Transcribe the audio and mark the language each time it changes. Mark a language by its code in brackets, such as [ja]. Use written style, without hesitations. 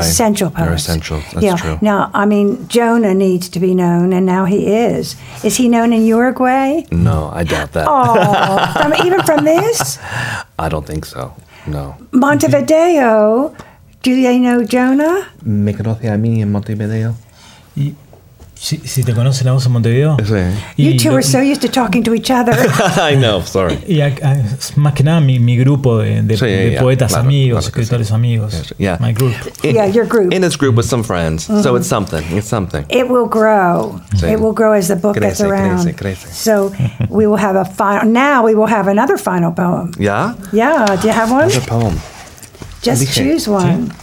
[en] Essential poets. They're essential. That's true. Now, I mean, Jonah needs to be known, and now he is. Is he known in Uruguay? No, I doubt that. Oh, even from this? I don't think so. No. Montevideo, do they know Jonah? [es] Me conoce a mí en Montevideo. Si te conoce la voz en Montevideo. Sí. [en] You two are so used to talking to each other. I know, sorry. [es] Y más que nada mi grupo de poetas, claro, amigos, claro, escritores amigos. [en] Yeah. My group. Your group. In its group with some friends. Mm-hmm. So it's something. It's something. It will grow. Sí. It will grow as the book [es] crece, [en] gets around. [es] Crece. [en] So we will have a final. Now we will have another final poem. Yeah? Yeah. Do you have one? Another poem. Just [es] elige. [en] Choose one.